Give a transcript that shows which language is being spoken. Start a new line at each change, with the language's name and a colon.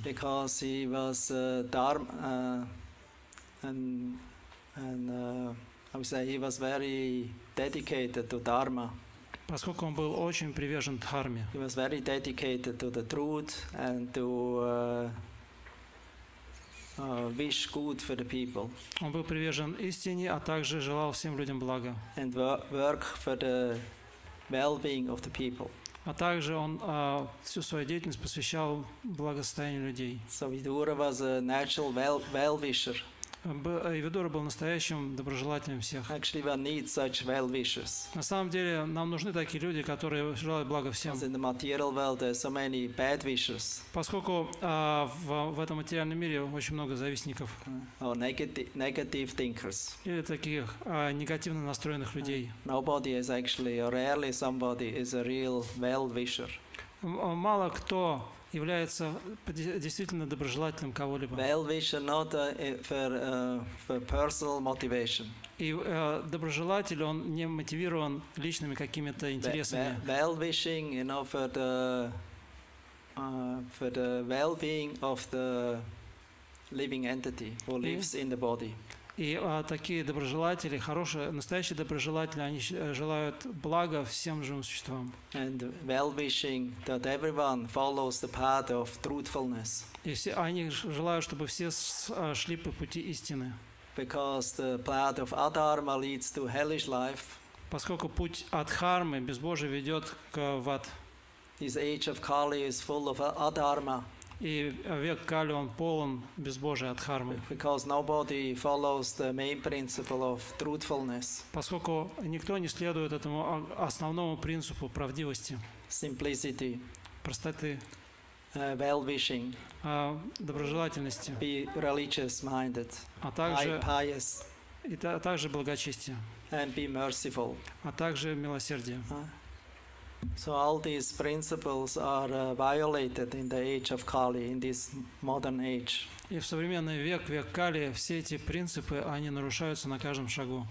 English: Because he was he was very dedicated to Dharma.
Russian: Поскольку он был очень привержен дхарме.
English: He was very dedicated to the truth and to wish good for the people.
Russian: Он был привержен истине, а также желал всем людям блага.
English: And work for the well-being of the people.
Russian: а также он всю свою деятельность посвящал благосостоянию людей.
English: Савидура was a natural well-wisher.
Russian: Эвидура был настоящим доброжелателем всех.
English: Actually, we need such well-wishers.
Russian: На самом деле, нам нужны такие люди, которые желают блага всем.
English: Because in the material world, there are so many bad wishers.
Russian: Поскольку в этом материальном мире очень много завистников.
English: Or negative thinkers.
Russian: Или таких негативно настроенных людей.
English: Nobody is actually, or rarely somebody is a real well-wisher.
Russian: Мало кто является действительно доброжелательным кого-либо.
English: Well-wisher not for personal motivation.
Russian: И доброжелатель, он не мотивирован личными какими-то интересами.
English: Well-wishing, you know, for the well-being of the living entity who lives in the body.
Russian: И такие доброжелатели, хорошие, настоящие доброжелатели, они желают блага всем живым существам.
English: And well-wishing that everyone follows the path of truthfulness.
Russian: И все, они желают, чтобы все шли по пути истины.
English: Because the path of adharma leads to hellish life.
Russian: Поскольку путь адхармы, безбожия, ведет к в ад.
English: This age of Kali is full of adharma.
Russian: И век Кали, он полон безбожия, адхармы.
English: Because nobody follows the main principle of truthfulness.
Russian: Поскольку никто не следует этому основному принципу правдивости.
English: Simplicity.
Russian: Простоты.
English: Well-wishing.
Russian: Доброжелательности.
English: Be religious-minded.
Russian: А также,
English: pious.
Russian: И также благочестие.
English: And be merciful.
Russian: А также милосердие.
English: So all these principles are violated in the age of Kali, in this modern age.
Russian: И в современный век, век Кали, все эти принципы, они нарушаются на каждом шагу.